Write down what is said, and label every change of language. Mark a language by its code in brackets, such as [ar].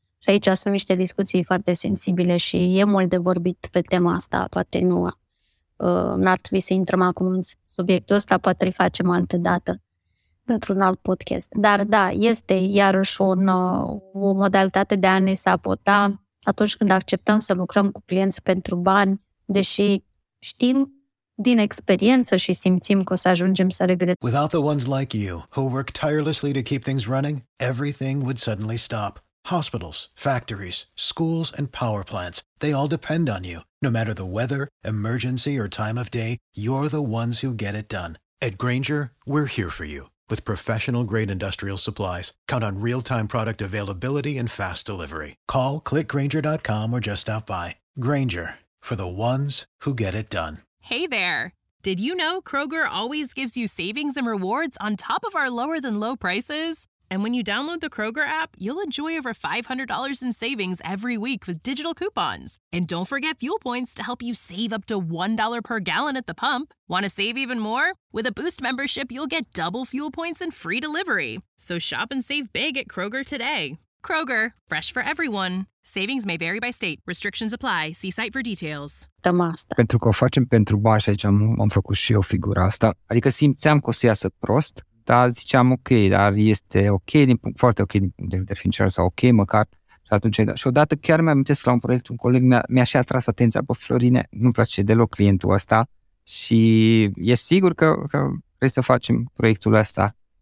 [ro] Și aici sunt niște discuții foarte sensibile și e mult de vorbit pe tema asta, poate nu ar trebui să intrăm acum în subiectul ăsta, poate îl facem altă dată. Într-un alt podcast. Dar da, este iarăși o modalitate de a ne sabota atunci când acceptăm să lucrăm cu clienți pentru bani, deși știm din experiență și simțim că o să ajungem să regretăm. [en] Without the ones like you, who work tirelessly to keep things running, everything would suddenly stop. Hospitals, factories, schools, and power plants, they all depend on you. No matter the weather, emergency, or time of day, you're the ones who get it done. At Grainger, we're here for you. With professional-grade industrial supplies, count on real-time product availability and fast delivery. Call, click Grainger.com, or just stop by. Grainger, for the ones who get it done. Hey there. Did you know Kroger always gives you savings and rewards on top of our lower-than-low prices? And when you download the Kroger app, you'll enjoy over $500 in savings every week with digital coupons. And don't forget fuel points to help you save up to $1 per gallon at the pump. Want to save even more? With a Boost membership, you'll get double fuel points and free delivery. So shop and save big at Kroger today. Kroger, fresh for everyone. Savings may vary by state. Restrictions apply. See site for details. [ro] Cam asta. Pentru că o facem pentru bani, aici am făcut și eu figura asta. Adică simțeam că o să iasă prost. Dar ziceam ok, dar este ok din punct, foarte ok din punct de vedere financiar sau ok măcar. Și atunci, și odată chiar mi-am amintesc la un proiect, un coleg mi-a și atras atenția, bă, Florine, nu-mi place deloc clientul ăsta și e sigur că vrei să facem proiectul ăsta.